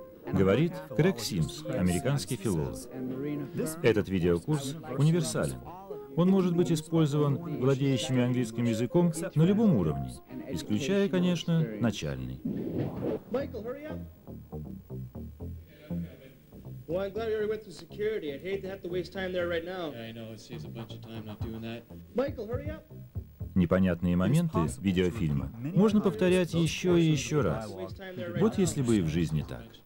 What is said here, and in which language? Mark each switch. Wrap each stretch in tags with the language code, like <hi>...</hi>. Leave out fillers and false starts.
<ru>Говорит Крэг Симс, американский филолог. Этот видеокурс универсален. Он может быть использован владеющими английским языком на любом уровне, исключая, конечно, начальный.</ru> <en>Well, I'm glad we already went through security. I'd hate to have to waste time there right now. Yeah, I know. It saves a bunch of time not doing that. Michael, hurry up!</en> <ru>Непонятные моменты видеофильма можно повторять еще и еще раз. Вот если бы и в жизни так.</ru>